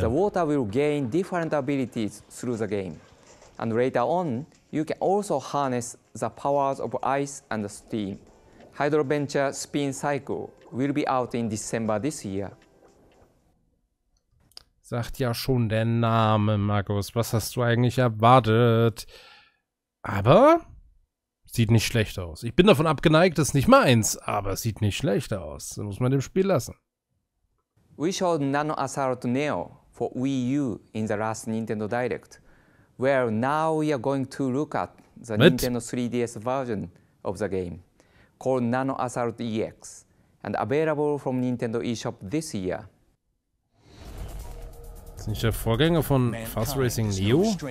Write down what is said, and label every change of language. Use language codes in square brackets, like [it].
[en] The water will gain different abilities through the game. And later on, you can also harness the powers of ice and steam. Hydro Venture Spin Cycle will be out in December this year. [de] Sagt ja schon der Name, Markus. Was hast du eigentlich erwartet? Aber... sieht nicht schlecht aus. Ich bin davon abgeneigt, das ist nicht meins, aber es sieht nicht schlecht aus. Das muss man dem Spiel lassen. [en] We showed Nano Assault Neo for Wii U in the last Nintendo Direct, where now we are going to look at the Nintendo 3DS version of the game, called Nano Assault EX, and available from Nintendo eShop this year. [de] Das ist nicht der Vorgänger von Fast Racing Neo?